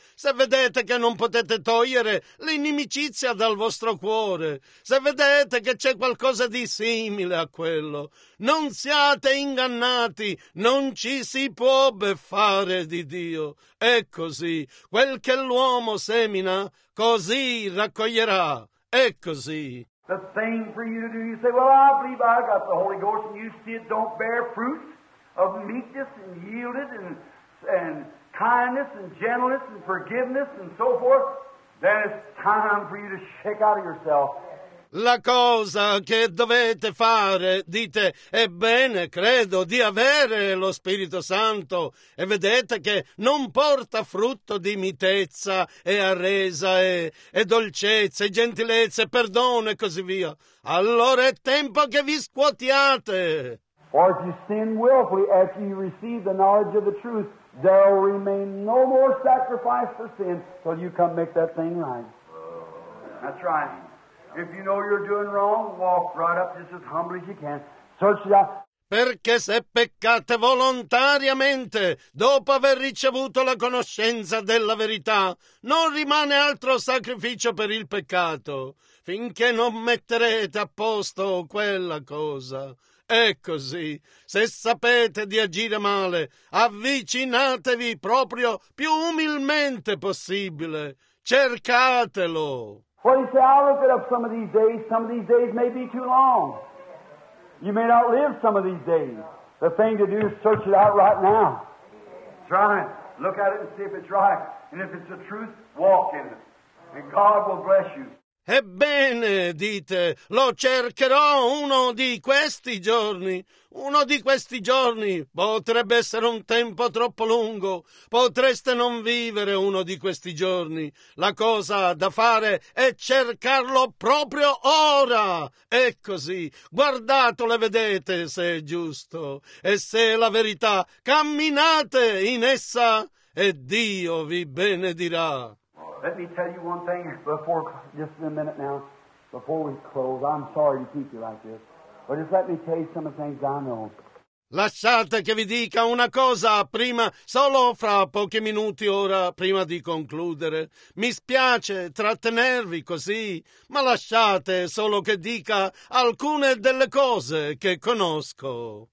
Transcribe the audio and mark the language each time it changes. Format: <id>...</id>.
<it>Se vedete che non potete togliere l'inimicizia dal vostro cuore, se vedete che c'è qualcosa di simile a quello, non siate ingannati, non ci si può beffare di Dio. È così, quel che l'uomo semina, così raccoglierà. È così.</it> <en>The thing for you to do, you say, well, I believe I got the Holy Ghost, and you see it don't bear fruit of meekness and yielded and kindness and gentleness and forgiveness and so forth, then it's time for you to shake out of yourself.</en> <it>La cosa che dovete fare, dite, ebbene, credo di avere lo Spirito Santo, e vedete che non porta frutto di mitezza e arresa e dolcezza e gentilezza e perdono e così via. Allora è tempo che vi scuotiate.</it> <en>Or if you sin willfully, as you receive the knowledge of the truth, there will remain no more sacrifice for sin till you come make that thing right. That's right. If you know you're doing wrong, walk right up just as humbly as you can. Search it out.</en> <it>Perché se peccate volontariamente, dopo aver ricevuto la conoscenza della verità, non rimane altro sacrificio per il peccato, finché non metterete a posto quella cosa. È così. Se sapete di agire male, avvicinatevi proprio più umilmente possibile. Cercatelo.</it> <en>Well, you say, I'll look it up some of these days. Some of these days may be too long. You may not live some of these days. The thing to do is search it out right now. Try it. Look at it and see if it's right. And if it's the truth, walk in it. And God will bless you.</en> <it>Ebbene, dite, lo cercherò uno di questi giorni. Uno di questi giorni potrebbe essere un tempo troppo lungo. Potreste non vivere uno di questi giorni. La cosa da fare è cercarlo proprio ora. È così. Guardatelo e vedete se è giusto. E se è la verità, camminate in essa e Dio vi benedirà.</it> <en>Let me tell you one thing before, just in a minute now, before we close. I'm sorry to keep you like this, but just let me tell you some of the things I know.</en> <it>Lasciate che vi dica una cosa prima, solo fra pochi minuti ora, prima di concludere. Mi spiace trattenervi così, ma lasciate solo che dica alcune delle cose che conosco.</it>